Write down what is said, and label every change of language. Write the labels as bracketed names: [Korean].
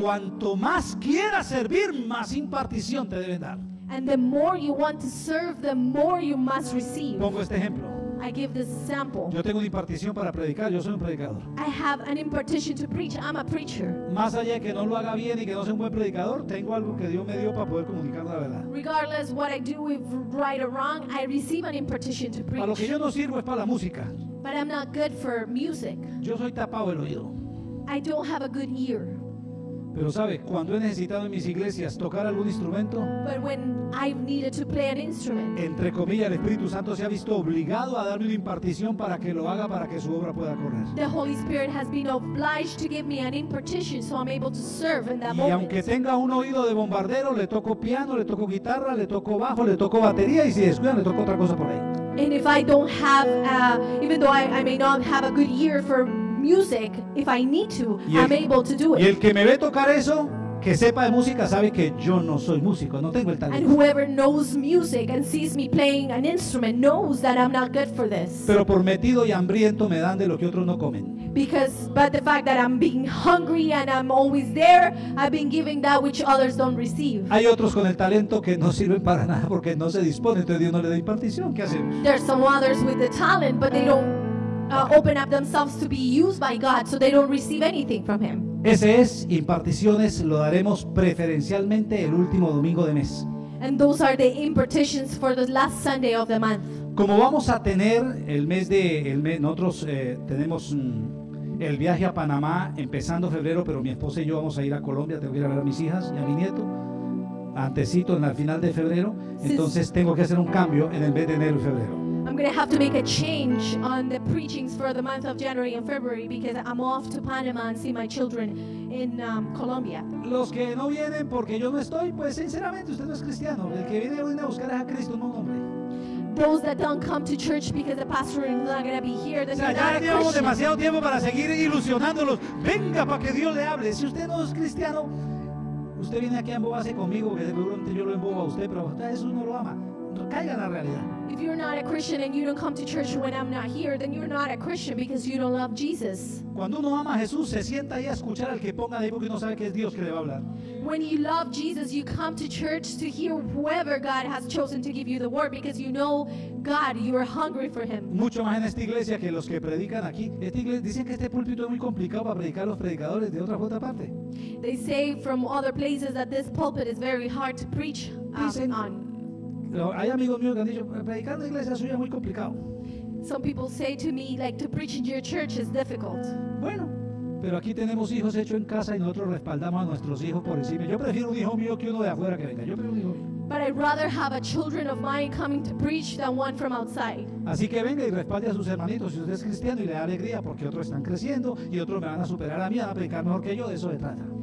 [Spanish] Y cuanto más quieras servir, más impartición te deben dar. [English] And the more you want to serve, the more you must receive. [Spanish] Pongo este ejemplo. [English] I give this example. [Spanish] Yo tengo una impartición para predicar, yo soy un predicador. [English] I have an impartition to preach, I'm a preacher. [Spanish] Más allá de que no lo haga bien y que no sea un buen predicador, tengo algo que Dios me dio para poder comunicar la verdad. [English] Regardless what I do with right or wrong, I receive an impartition to preach. [Spanish] A lo que yo no sirvo es para la música. [English] But I'm not good for music. [Spanish] Yo soy tapado el oído. [English] I don't have a good ear. [Spanish] Pero sabe, cuando he necesitado en mis iglesias tocar algún instrumento, entre comillas, el Espíritu Santo se ha visto obligado a darme una impartición para que lo haga, para que su obra pueda correr. [English] The Holy Spirit has been obliged to give me an impartition so I'm able to serve in that [Spanish] y [English] moment. [Spanish] Y aunque tenga un oído de bombardero, le toco piano, le toco guitarra, le toco bajo, le toco batería, y si descuida, le toco otra cosa por ahí. [English] And if I don't have even though I may not have a good ear for music, if I need to, I'm able to do it. [Spanish] Y el que me ve tocar eso, que sepa de música, sabe que yo no soy músico, no tengo el talento. [English] And whoever knows music and sees me playing an instrument knows that I'm not good for this. [Spanish] Pero por metido y hambriento me dan de lo que otros no comen. [English] Because but the fact that I'm being hungry and I'm always there, I've been giving that which others don't receive. [Spanish] Hay otros con el talento que no sirven para nada porque no se disponen, entonces Dios no le da impartición. ¿Qué hacemos? [English] There's some others with the talent, but they don't open up themselves to be used by God, so they don't receive anything from Him. [Spanish] Ese es, imparticiones lo daremos preferencialmente el último domingo de mes. [English] And those are the impartitions for the last Sunday of the month. [Spanish] Como vamos a tener nosotros tenemos el viaje a Panamá empezando febrero, pero mi esposa y yo vamos a ir a Colombia, tengo que ir a ver a mis hijas y a mi nieto antesito, en el final de febrero. Entonces tengo que hacer un cambio en el mes de enero y febrero. [English] I'm going to have to make a change on the preachings for the month of January and February because I'm off to Panama and see my children in Colombia. [Spanish] Los que no vienen porque yo no estoy, pues sinceramente usted no es cristiano. El que viene a buscar es a Cristo, no un hombre. [English] Those that don't come to church because the pastor is not going to be here, then you're not a Christian. [Spanish] Ya llevamos demasiado tiempo para seguir ilusionándolos. Venga para que Dios le hable. Si usted no es cristiano, usted viene aquí a embobarse conmigo, que seguramente yo lo embobo a usted, pero usted, Jesús no lo ama. Caiga en la realidad. [English] If you're not a Christian and you don't come to church when I'm not here, then you're not a Christian because you don't love Jesus. [Spanish] Cuando uno ama a Jesús, se sienta ahí a escuchar al que ponga de ahí porque uno sabe que es Dios que le va a hablar. [English] When you love Jesus, you come to church to hear whoever God has chosen to give you the word because you know God, you are hungry for Him. [Spanish] Mucho más en esta iglesia que los que predican aquí. Esta iglesia, dicen que este púlpito es muy complicado para predicar los predicadores de otra parte. [English] They say from other places that this pulpit is very hard to preach on. [Spanish] Hay amigos míos que han dicho, predicar en la iglesia suya es muy complicado. [English] Some people say to me, like, to preach in your church is difficult. [Spanish] Bueno, pero aquí tenemos hijos hechos en casa y nosotros respaldamos a nuestros hijos por encima. Yo prefiero un hijo mío que uno de afuera que venga. Yo prefiero un hijo mío. [English] But I'd rather have a children of mine coming to preach than one from outside. [Spanish] Así que venga y respalde a sus hermanitos si usted es cristiano y le da alegría porque otros están creciendo y otros me van a superar a mí, van a predicar mejor que yo, de eso se trata.